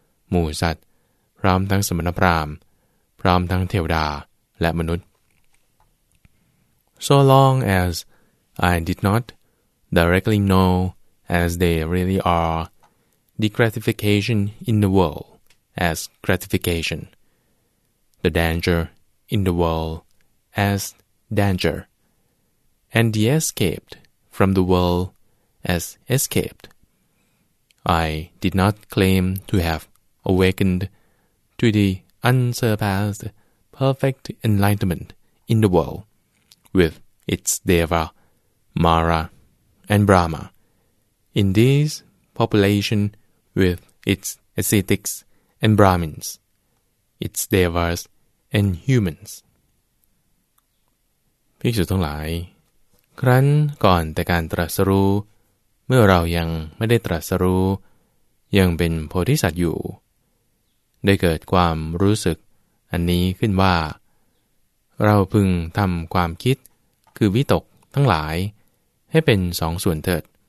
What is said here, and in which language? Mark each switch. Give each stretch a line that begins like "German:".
Thai: หมู่สัตว์พร้อมทั้งสมณพราหมณ์พร้อมทั้งเทวดาและมนุษย์
English: So long as I did not directly know as they really are the gratification in the world as gratification the danger in the world as danger and the escapedFrom the world as escaped. I did not claim to have awakened to the unsurpassed perfect enlightenment in the world with its Deva, Mara, and Brahma, in this population with its ascetics and Brahmins, its Devas and humans.
Thai: ภิกษุทั้งหลายครั้นก่อนแต่การตรัสรู้เมื่อเรายังไม่ได้ตรัสรู้ยังเป็นโพธิสัตว์อยู่ได้เกิดความรู้สึกอันนี้ขึ้นว่าเราพึงทำความคิดคือวิตกทั้งหลายให้เป็นสองส่วนเถิด